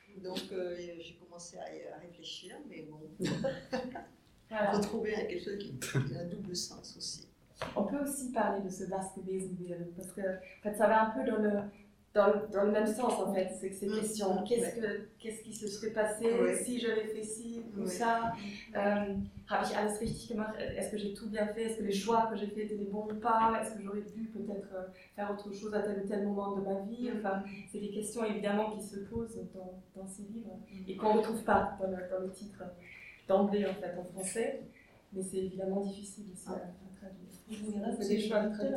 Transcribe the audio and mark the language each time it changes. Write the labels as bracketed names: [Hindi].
[French] Donc, j'ai commencé à réfléchir, mais bon. Voilà. Retrouver quelque chose qui a un double sens aussi. On peut aussi parler de ce vaste Wesenbild, parce que en fait, ça va un peu dans le même sens en fait, c'est que ces questions. Qu'est-ce qui se serait passé si j'avais fait ci ou ça? [German] Habe ich alles richtig gemacht? [French] Est-ce que j'ai tout bien fait? Est-ce que les choix que j'ai fait étaient les bons ou pas? Est-ce que j'aurais pu peut-être faire autre chose à tel ou tel moment de ma vie? Enfin, c'est des questions évidemment qui se posent dans ces livres et qu'on ne retrouve pas dans le titre. D'emblée en fait en français, mais c'est évidemment difficile aussi à traduire.